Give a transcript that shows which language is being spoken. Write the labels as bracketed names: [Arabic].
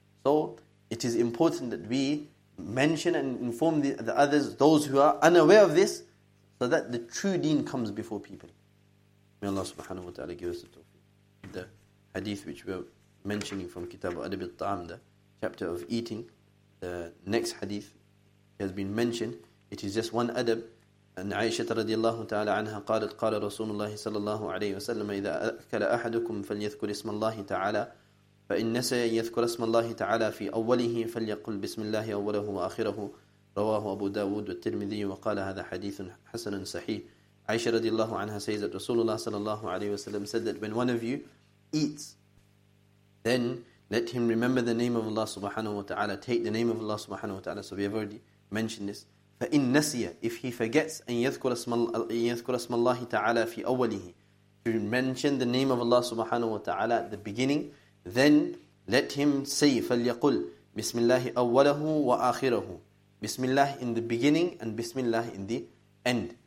[English] So it is important that we mention and inform the others, those who are unaware of this, so that the true deen comes before people. May Allah subhanahu wa ta'ala give us the tawfiq. The hadith which we are mentioning from Kitab al-Adab al-Ta'am, the chapter of eating, the next hadith has been mentioned. It is just one adab. [Arabic] أن عائشة رضي الله تعالى عنها قالت قال رسول الله صلى الله عليه وسلم إذا أكل أحدكم فليذكر اسم الله تعالى فإن نسى يذكر اسم الله تعالى في أوله فليقل بسم الله أوله وآخره رواه أبو داود والترمذي وقال هذا حديث حسن صحيح. [English] عائشة رضي الله عنها says that رسول الله صلى الله عليه وسلم said that when one of you eats, then let him remember the name of Allah subhanahu wa ta'ala, take the name of Allah subhanahu wa ta'ala. So we have already mentioned this. [Arabic] فَإِنْ نَسِيَ, [English] if he forgets, [Arabic] أَنْ يَذْكُرَ اسْمَ اللَّهِ تَعَالَى فِي أَوَّلِهِ, [English] to mention the name of Allah subhanahu wa ta'ala at the beginning, then let him say, [Arabic] فَلْيَقُلْ بِسْمِ اللَّهِ أَوَّلَهُ وَآخِرَهُ, [English] بِسْمِ اللَّهِ in the beginning and بِسْمِ اللَّهِ in the end.